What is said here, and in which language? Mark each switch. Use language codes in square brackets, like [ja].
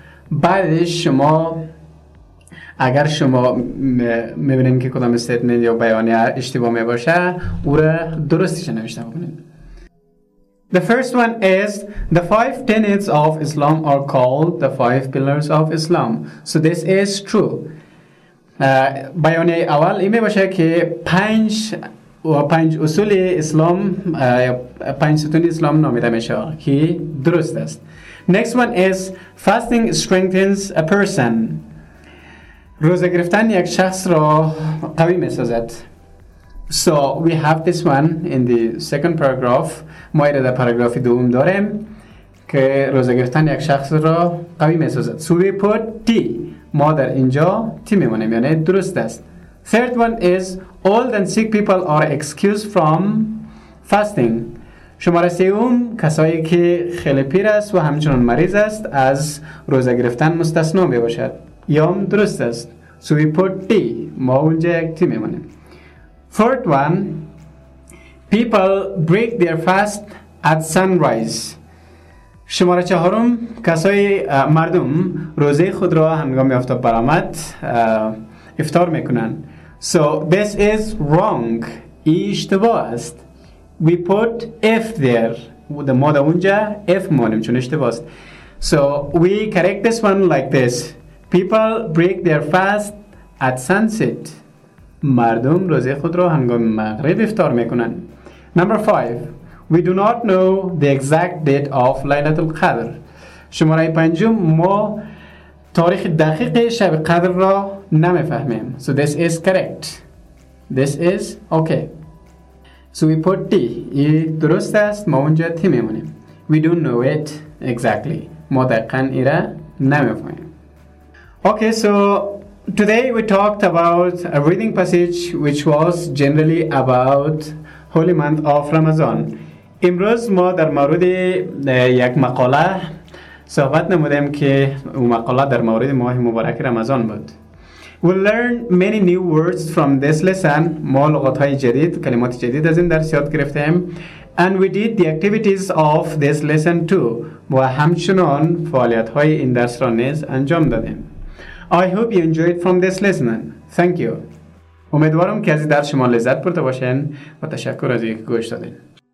[fa] بعدش شما اگر شما میبینید که کدام استیتمنت یا بیانیه اشتباه میباشه او را درستش نوشته بکنید. [en] The first one is the five tenets of Islam are called the five pillars of Islam. So this is true. [fa] بیانیه اول این میباشه که پنج اصول اسلام یا پنج ستون اسلام نامیده میشه که درست است. [en] Next one is fasting strengthens a person. [fa] روزه گرفتن یک شخص را قوی می سازد. [en] So we have this one in the second paragraph. [fa] ما ایره در پاراگراف دوم داریم. که روزه گرفتن یک شخص را قوی می‌سازد. [en] So we put T. [fa] ما در اینجا T می‌مونیم. یعنی درست است. [en] Third one is old and sick people are excused from fasting. [fa] شماره سوم کسایی که خیلی پیر است و همچنان مریض است از روزه گرفتن مستثنا می‌باشد. یام درست است. [en] So we put T. [fa] ما اونجا یک T می‌مونیم. [en] Fourth one, people break their fast at sunrise. [fa] شماره چهارم کسای مردم روزه خود را هنگام آفتاب برآمد افطار میکنند. [en] So this is wrong. [fa] ای اشتباه است. [en] We put F there. [fa] The مادر اونجا F مانیم چون اشتباه است. [en] So we correct this one like this. People break their fast at sunset. [fa] مردم روزه خود را هنگام مغرب افطار میکنند. [en] Number 5. We do not know the exact date of Laylatul Qadr. [fa] شماره 5. ما تاریخ دقیق شب قدر را نمیفهمیم. [en] So this is correct. This is okay. So we put T. [fa] این درست است. ما اونجا T میمونیم. [en] We don't know it exactly. [fa] ما دقیقاً این را نمیفهمیم. [en] Okay, so today we talked about a reading passage which was generally about holy month of Ramadan. [fa] امروز ما در مورد یک مقاله صحبت نمودیم که اون مقاله در مورد ماه مبارک رمضان بود. [en] We learn many new words from this lesson. [fa] ما لغت‌های جدید، کلمات جدید از این درس یاد گرفتیم. [en] And we did the activities of this lesson too. [fa] و همچنان فعالیت‌های این درس را نیز انجام دادیم. [en] I hope you enjoyed from this lesson. Thank you. [fa] امیدوارم که از این درس شما لذت برده باشین و تشکر از اینکه گوش دادین.